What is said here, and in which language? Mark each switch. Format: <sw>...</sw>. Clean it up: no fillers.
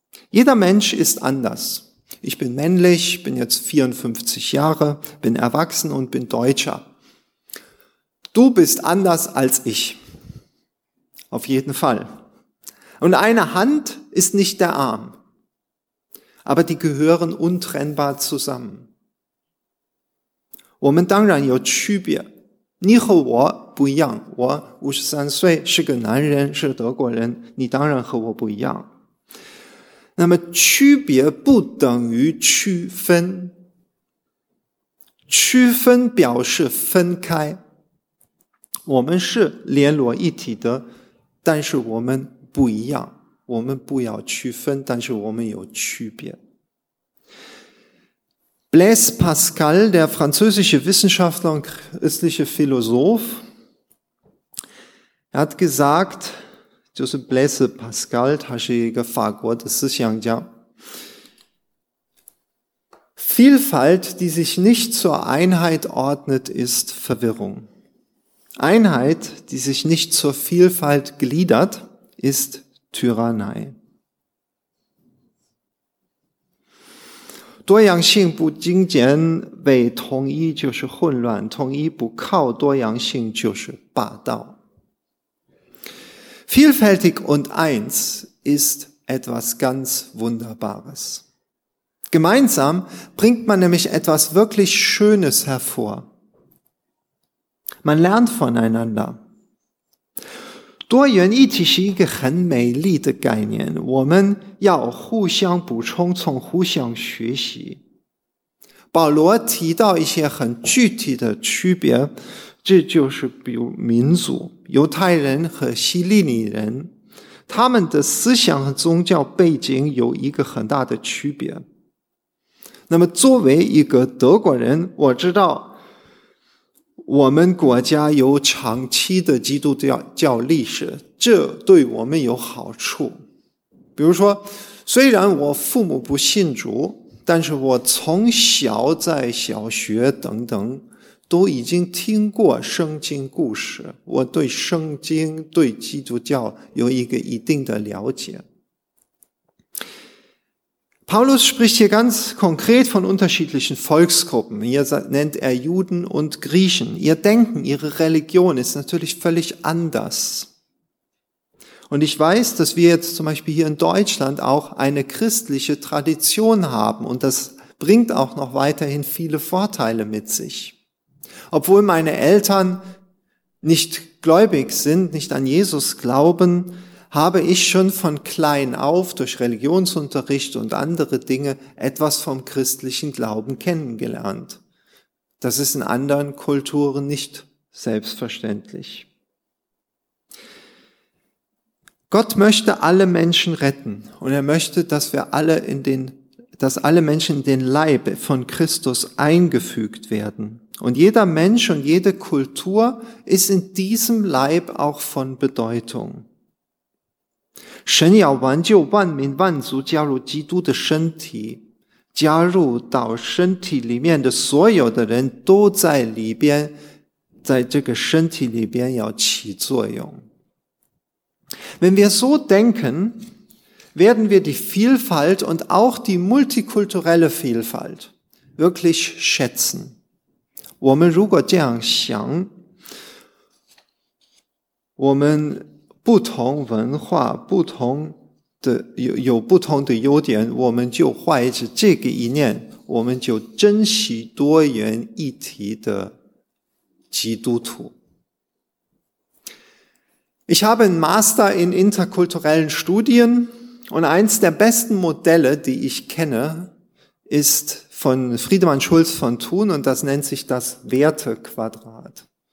<de>Jeder Mensch ist anders. Ich bin männlich, bin jetzt 54 Jahre, bin erwachsen und bin Deutscher. Du bist anders als ich. Auf jeden Fall. Und eine Hand ist nicht der Arm. Aber die gehören untrennbar zusammen.</de> <zh>我们当然有区别。你和我不一样，我53岁，是个男人，是德国人，你当然和我不一样。那么区别不等于区分，区分表示分开，我们是联络一体的，但是我们不一样，我们不要区分，但是我们有区别。</zh> <de>Blaise Pascal, der französische Wissenschaftler und christliche Philosoph, er hat gesagt, Joseph Blaise Pascal,</de> <zh>他是一个法国的思想家,</zh> <de>Vielfalt, die sich nicht zur Einheit ordnet, ist Verwirrung. Einheit, die sich nicht zur Vielfalt gliedert, ist Tyrannei.</de> <zh>多样性不精简为统一就是混乱，统一不靠多样性就是霸道。</zh> <de>Vielfältig und eins ist etwas ganz Wunderbares. Gemeinsam bringt man nämlich etwas wirklich Schönes hervor. Man lernt voneinander.</de> <zh>多元一体是一个很美丽的概念，我们要互相补充，从互相学习。保罗提到一些很具体的区别，这就是比如民族，犹太人和希利尼人，他们的思想和宗教背景有一个很大的区别。那么作为一个德国人，我知道我们国家有长期的基督教历史，这对我们有好处。比如说，虽然我父母不信主，但是我从小在小学等等都已经听过圣经故事，我对圣经、对基督教有一个一定的了解。</zh> <de>Paulus spricht hier ganz konkret von unterschiedlichen Volksgruppen. Hier nennt er Juden und Griechen. Ihr Denken, ihre Religion ist natürlich völlig anders. Und ich weiß, dass wir jetzt zum Beispiel hier in Deutschland auch eine christliche Tradition haben und das bringt auch noch weiterhin viele Vorteile mit sich. Obwohl meine Eltern nicht gläubig sind, nicht an Jesus glauben, habe ich schon von klein auf durch Religionsunterricht und andere Dinge etwas vom christlichen Glauben kennengelernt. Das ist in anderen Kulturen nicht selbstverständlich. Gott möchte alle Menschen retten und er möchte, dass alle Menschen in den Leib von Christus eingefügt werden. Und jeder Mensch und jede Kultur ist in diesem Leib auch von Bedeutung.</de> <zh>神要挽救万民万族加入基督的身体，加入到身体里面的所有的人都在里边，在这个身体里边要起作用。</zh> <de>Wenn wir so denken, werden wir die Vielfalt und auch die multikulturelle Vielfalt wirklich schätzen.</de> <zh>我们如果这样想，我们不同文化不同的 有不同的优点，我们就怀着这个一念，我们就珍惜多元一体的基督徒。</zh> <de>Ich habe einen Master in interkulturellen Studien und eins der besten Modelle, die ich kenne, ist von Friedemann Schulz von Thun und das nennt sich das Wertequadrat.</de>